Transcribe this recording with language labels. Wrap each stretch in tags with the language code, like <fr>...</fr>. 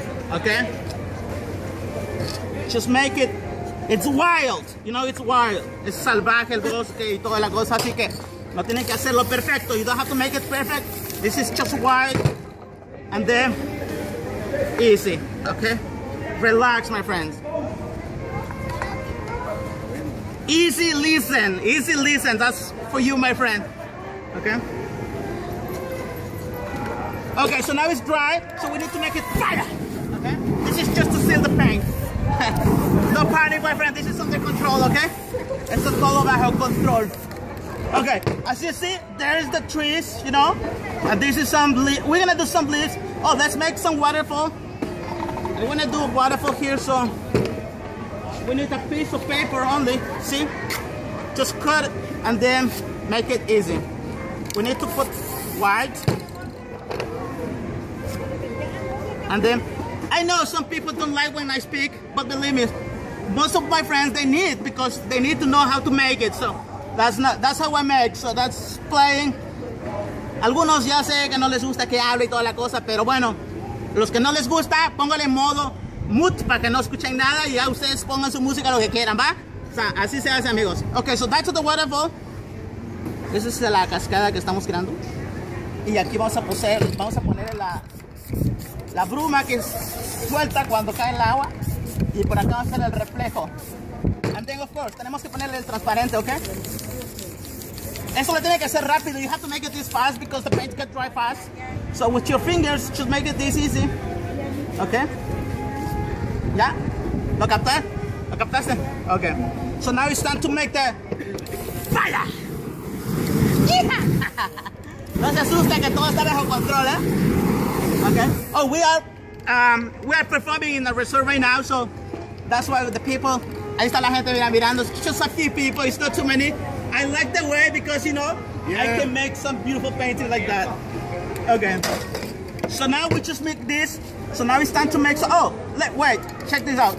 <en>Okay, just make it, it's wild, you know, it's wild.</en> <es>Es salvaje el bosque y toda la cosa, así que no tienen que hacerlo perfecto.</es> <en>You don't have to make it perfect. This is just wild, and then easy, okay? Relax, my friends. Easy listen, that's for you, my friend, okay? Okay, so now it's dry, so we need to make it fire. This is just to seal the paint. No panic, my friend. This is under control, okay? It's all about how control. Okay, as you see, there's the trees, you know? And this is some leaves. We're gonna do some leaves. Oh, let's make some waterfall. I wanna do a waterfall here, so we need a piece of paper only, see? Just cut it and then make it easy. We need to put white. And then, I know some people don't like when I speak, but believe me, most of my friends, they need, because they need to know how to make it, so that's how I make, so that's playing.</en> <es>Algunos ya sé que no les gusta que hable y toda la cosa, pero bueno, los que no les gusta, póngale en modo mute para que no escuchen nada y ya ustedes pongan su música lo que quieran, ¿va? O sea, así se hace, amigos.</es> <en>Okay, so back to the waterfall.</en> <es>Esa es la cascada que estamos creando. Y aquí vamos a poner la... la bruma que suelta cuando cae el agua, y por acá va a ser el reflejo.</es> <en>And then of course,</en> <es>tenemos que ponerle el transparente, ¿ok? Eso lo tiene que hacer rápido.</es> <en>You have to make it this fast because the paint can dry fast. So with your fingers, just make it this easy.</en> <es>¿Ok? ¿Ya? ¿Lo capté? ¿Lo captaste? Ok.</es> <en>So now it's time to make the fire!</en> <es>No se asuste que todo está bajo control, ¿eh?</es> <en>Ok. Oh, we are performing in the resort right now, so that's why the people...</en> <es>Ahí está la gente mirando.</es> <en>Just a few people, it's not too many. I like the way because, you know, yeah. I can make some beautiful painting like that. Okay. So now we just make this. So now it's time to make some... Oh, wait. Check this out.</en>